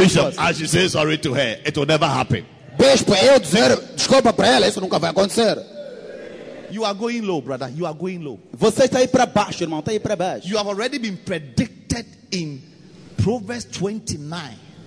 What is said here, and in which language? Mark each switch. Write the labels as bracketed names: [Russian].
[English] Bishop, as you say sorry to her, it will never happen. [Portuguese] Bishop, eu dizer desculpa para ela, isso nunca vai acontecer. [English] You are going low, brother. You are going low. [Portuguese] Você está aí para baixo, irmão. Está aí para baixo. [English] You have already been predicted in Proverbs 29.